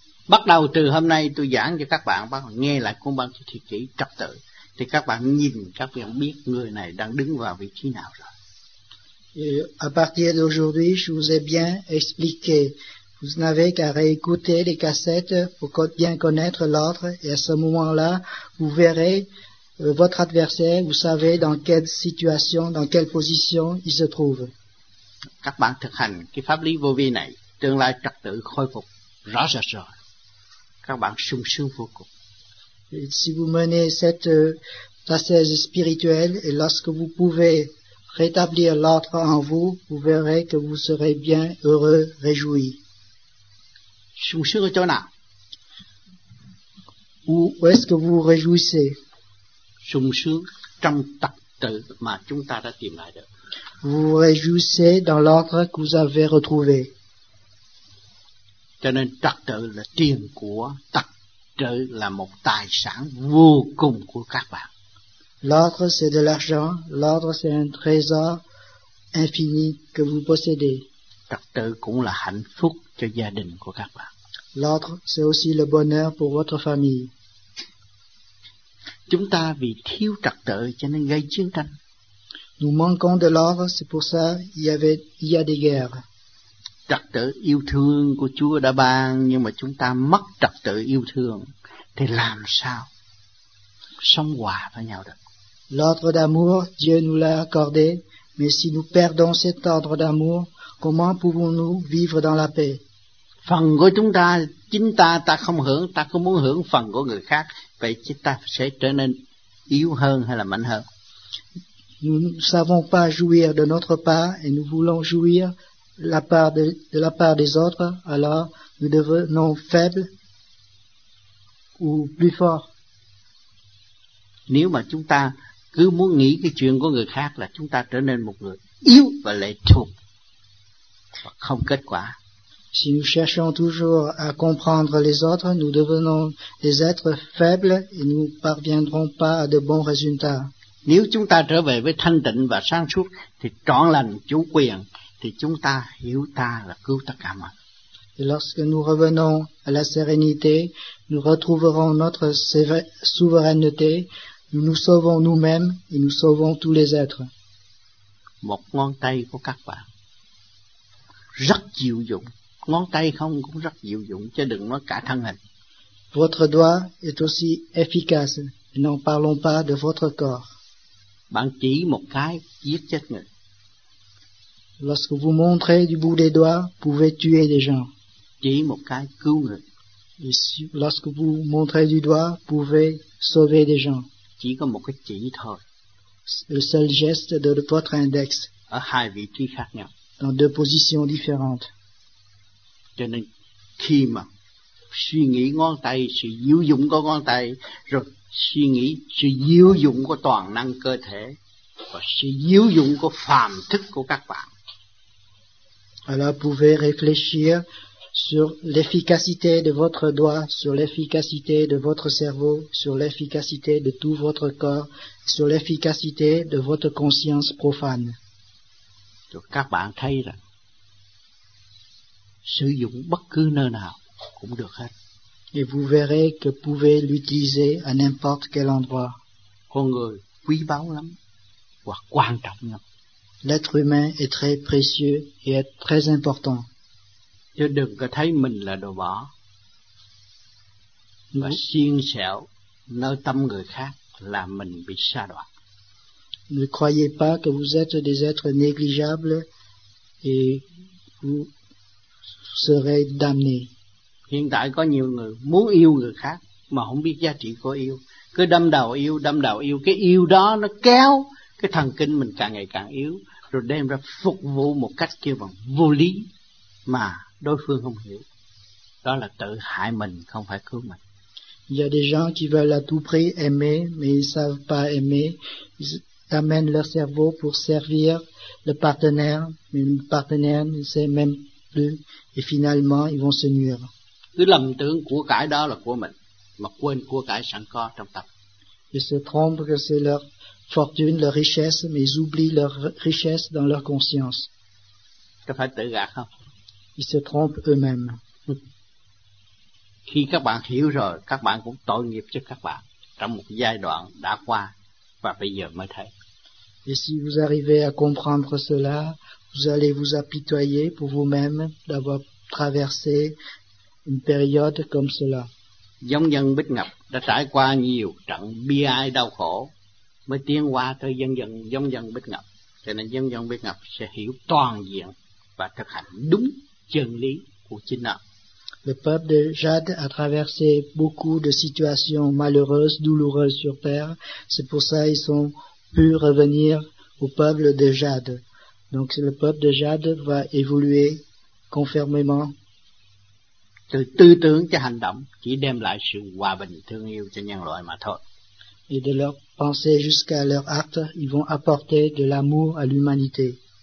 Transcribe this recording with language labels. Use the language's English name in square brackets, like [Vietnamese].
[Vietnamese] Bắt đầu từ hôm nay tôi giảng cho các bạn, bắt đầu nghe lại cuốn băng thì kỹ trật tự, thì các bạn nhìn, các bạn biết người này đang đứng vào vị trí nào rồi. [French] Et à partir d'aujourd'hui, je vous ai bien expliqué. Vous n'avez qu'à réécouter les cassettes pour bien connaître l'autre, et à ce moment-là, vous verrez votre adversaire, vous savez dans quelle situation, dans quelle position il se trouve. [Vietnamese] Các bạn thực hành cái pháp lý vô vi này, tương lai trật tự khôi phục rõ rệt rồi. Các bạn sung sướng vô cùng. [French] Et si vous menez cette assise spirituelle, et lorsque vous pouvez rétablir l'autre en vous, vous verrez que vous serez bien heureux, réjoui. [Vietnamese] Sung sướng ở chỗ nào? [French] Où est-ce que vous réjouissez? [Vietnamese] Sung sướng trong tật tự mà chúng ta đã tìm lại được. [French] Vous réjouissez dans l'ordre que vous avez retrouvé. [Vietnamese] Cho nên tật tự là tiền của, tật tự là một tài sản vô cùng của các bạn. [French] L'ordre c'est de l'argent, l'ordre c'est un trésor infini que vous possédez. [Vietnamese] Tật tự cũng là hạnh phúc cho gia đình của các bạn. [French] L'autre, c'est aussi le bonheur pour votre famille. [Vietnamese] Chúng ta vì thiếu trật tự cho nên gây chiến tranh. [French] Nous manquons de l'ordre, c'est pour ça il y a des guerres. [Vietnamese] Trật tự yêu thương của Chúa đã ban, nhưng mà chúng ta mất trật tự yêu thương thì làm sao sống hòa với nhau được? [French] L'ordre d'amour, Dieu nous l'a accordé, mais si nous perdons cet ordre d'amour, comment pouvons-nous vivre dans la paix? [Vietnamese] Phần của chúng ta, chính ta không hưởng, ta không muốn hưởng phần của người khác, vậy thì ta sẽ trở nên yếu hơn hay là mạnh hơn? [French] Nous ne savons pas jouir de notre part et nous voulons jouir de la part des autres, alors nous devenons faibles ou plus forts. [Vietnamese] Nếu mà chúng ta cứ muốn nghĩ cái chuyện của người khác là chúng ta trở nên một người yếu và lệ thuộc, không kết quả. [French] Si nous cherchons toujours à comprendre les autres, nous devenons des êtres faibles et nous ne parviendrons pas à de bons résultats. [Vietnamese] Nếu chúng ta trở về với thanh tịnh và sáng suốt, thì trọn lành chủ quyền, thì chúng ta hiểu ta là cứu tất cả mọi. [French] Et lorsque nous revenons à la sérénité, nous retrouverons notre souveraineté, nous nous sauvons nous-mêmes et nous sauvons tous les êtres. [Vietnamese] Một ngón tay của các bạn rất diệu dụng. Ngón tay không cũng rất diệu dụng, chứ đừng nói cả thân hình. [French] Votre doigt est aussi efficace, n'en parlons pas de votre corps. [Vietnamese] Bạn chỉ một cái giết chết người. [French] Lorsque vous montrez du bout des doigts, pouvez tuer des gens. [Vietnamese] Chỉ một cái cứu người. [French] Et si, lorsque vous montrez du doigt, pouvez sauver des gens. [Vietnamese] Chỉ có một cái chỉ thôi. [French] Le seul geste de votre index. [Vietnamese] Ở hai vị trí khác nhau. [French] Dans deux positions différentes. [Vietnamese] Cho nên khi mà suy nghĩ ngón tay, sự diệu dụng của ngón tay, rồi suy nghĩ sự diệu dụng của toàn năng cơ thể và sự diệu dụng của phàm thức của các bạn. [French] Alors pouvez réfléchir sur l'efficacité de votre doigt, sur l'efficacité de votre cerveau, sur l'efficacité de tout votre corps, sur l'efficacité de votre conscience profane. [Vietnamese] Rồi các bạn thấy rằng sử dụng bất cứ nơi nào cũng được hết. [French] Et vous verrez que pouvez l'utiliser à n'importe quel endroit. [Vietnamese] Con người quý báu lắm, hoặc quan trọng lắm. [French] L'être humain est très précieux et est très important. [Vietnamese] Chứ đừng có thấy mình là đồ bỏ và xiên xẻo nơi tâm người khác là mình bị sa đọa. [French] Ne croyez pas que vous êtes des êtres négligeables et vous serez damnés. [Vietnamese] Hiện tại có nhiều người muốn yêu người khác mà không biết giá trị của yêu. Cứ đâm đầu yêu, cái yêu đó nó kéo cái thần kinh mình càng ngày càng yếu, rồi đem ra phục vụ một cách kêu bằng vô lý mà đối phương không hiểu. Đó là tự hại mình, không phải cứu mình. [French] Il y a des gens qui veulent à tout prix aimer, mais ils ne savent pas aimer. Ils amènent leur cerveau pour servir le partenaire, mais le partenaire ne sait même plus, et finalement ils vont se nuire. [Vietnamese] Cứ lầm tưởng của cải đó là của mình mà quên của cải sẵn có trong tâm. [French] Ils se trompent que c'est leur fortune, leur richesse, mais ils oublient leur richesse dans leur conscience. [Vietnamese] Có phải tự gạt không? [French] Ils se trompent eux-mêmes. [Vietnamese] Khi các bạn hiểu rồi, các bạn cũng tội nghiệp cho các bạn trong một giai đoạn đã qua và bây giờ mới thấy. [French] Et si vous arrivez à comprendre cela, vous allez vous apitoyer pour vous-même d'avoir traversé une période comme cela. [Vietnamese] Giống dân Bích Ngọc đã trải qua nhiều trận bi ai đau khổ mới tiến qua tới dân giống dân Bích Ngọc. Cho nên dân Bích Ngọc sẽ hiểu toàn diện và thực hành đúng chân lý của chính nó. [French] Le peuple de Jade a traversé beaucoup de situations malheureuses, douloureuses sur terre. C'est pour ça qu'ils ont pu revenir au peuple de Jade. Donc le peuple de Jade va évoluer conformément. [Vietnamese] Từ tư tưởng cho hành động chỉ đem lại sự hòa bình, thương yêu cho nhân loại mà thôi. [French] Et de leur pensée jusqu'à leur acte, ils vont apporter de l'amour à l'humanité.